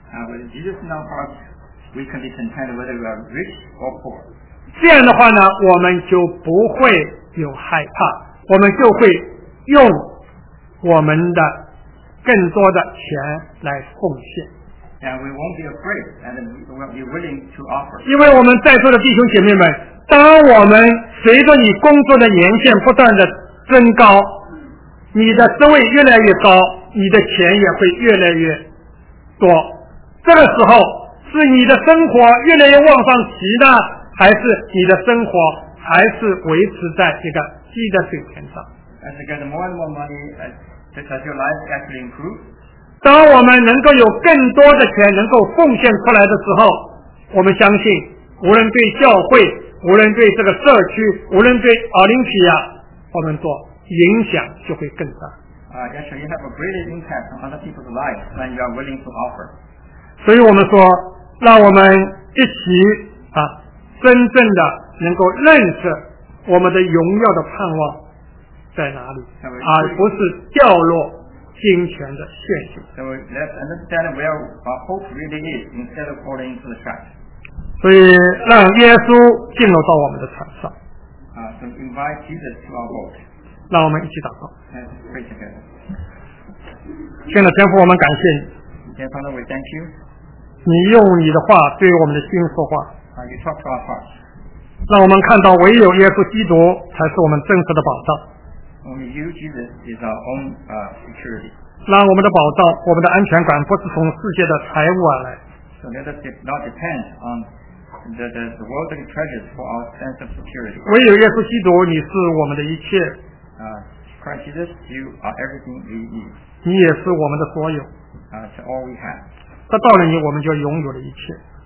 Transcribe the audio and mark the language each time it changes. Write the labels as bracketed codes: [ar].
[en] With Jesus in our hearts, we can be content whether we are rich or poor. [zh] 这样的话呢，我们就不会有害怕，我们就会用我们的更多的钱来奉献。 [en] And we won't be afraid, and we will be willing to offer. [zh] 因为我们在座的弟兄姐妹们，当我们随着你工作的年限不断的增高，你的职位越来越高，你的钱也会越来越多。这个时候是你的生活越来越往上提呢，还是你的生活还是维持在一个低的水平上？ [en] As you get more and more money, does your life actually improve? [zh] 当我们能够有更多的钱能够奉献出来的时候，我们相信无论对教会，无论对这个社区，无论对奥林匹亚，我们做影响就会更大。 [en] Yes, you have a greater impact on other people's lives when you are willing to offer. [zh] 所以我们说，让我们一起啊，真正的能够认识我们的荣耀的盼望在哪里，而不是掉落金钱的陷阱。 [en] So let's understand where our hope really is instead of falling into the trap. [zh] 所以让耶稣进入到我们的船上。 [en] So invite Jesus to our boat. [zh] 让我们一起祷告。 [en] Let's pray together. [zh] 亲爱的天父，我们感谢你。 [en] Dear Father, we thank you. [zh] 你用你的话对我们的心说话。 [en] You talk to our hearts. [zh] 让我们看到唯有耶稣基督才是我们真实的宝藏。 [en] Only you, Jesus, is our own security. [zh] 让我们的宝藏，我们的安全感不是从世界的财物而来。 [en] So let us not depend on the worldly treasures for our sense of security. [zh] 唯有耶稣基督，你是我们的一切。 [en] Christ Jesus, you are everything we need. [zh] 你也是我们的所有。 [en] To all we have. [zh] 得到了你，我们就拥有了一切。